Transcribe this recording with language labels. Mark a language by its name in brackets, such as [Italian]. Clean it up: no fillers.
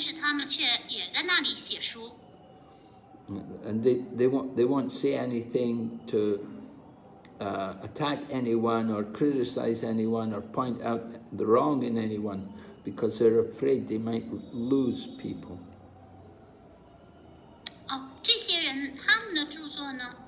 [Chinese] 还有一些作者呢，他们并没有得到授权，但是他们却也在那里写书。 [English] And they won't say anything to attack anyone or criticize anyone or point out the wrong in anyone, because they're afraid they might lose people. [Chinese] Oh, 这些人他们的著作呢？